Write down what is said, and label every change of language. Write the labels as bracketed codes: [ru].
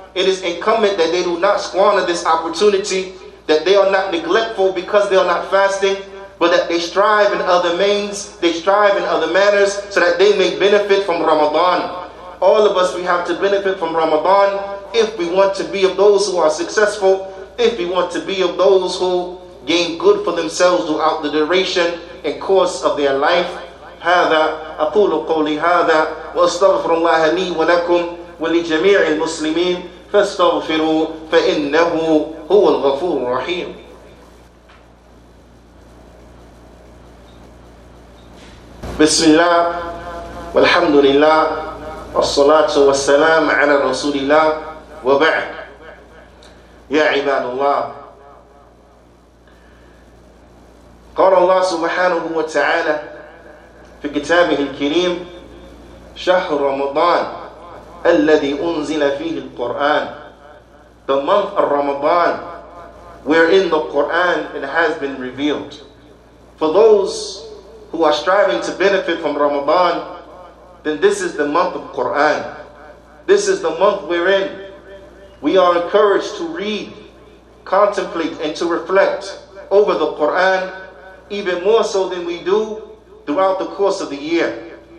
[en] It is incumbent that they do not squander this opportunity, that they are not neglectful because they are not fasting, but that they strive in other means, they strive in other manners, so that they may benefit from Ramadan. All of us, we have to benefit from Ramadan if we want to be of those who are successful, if we want to be of those who gain good for themselves throughout the duration and course of their life. [ar] هذا أقول قولي هذا وأستغفر الله لي ولكم ولجميع المسلمين فاستغفروا فإنه هو الغفور الرحيم. بسم الله والحمد لله والصلاة والسلام على رسول الله وبعد يا عباد الله قال الله سبحانه وتعالى في كتابه الكريم شهر رمضان الذي أنزل فيه القرآن. [en] The month of Ramadan wherein the Quran it has been revealed. For those who are striving to benefit from Ramadan, then this is the month of Qur'an. This is the month wherein we are encouraged to read, contemplate, and to reflect over the Qur'an even more so than we do throughout the course of the year.